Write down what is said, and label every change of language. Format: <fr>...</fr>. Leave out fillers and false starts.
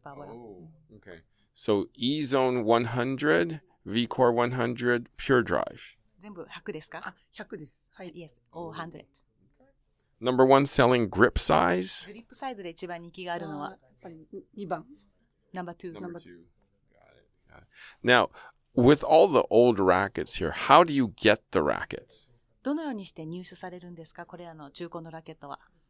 <en>Bubble. Oh, okay. So E-Zone 100, V-Core 100, Pure Drive.</en> <ja>全部100ですか？あ、100です。はい。</ja> <en>Yes, all 100. Number one selling grip size?</en> <ja>グリップサイズで一番人気があるのは、 2番。</ja> <en>Number two. Got it. Now, with all the old rackets here, how do you get the rackets?</en> <ja>どのようにして入手されるんですか？これらの中古のラケットは。</ja>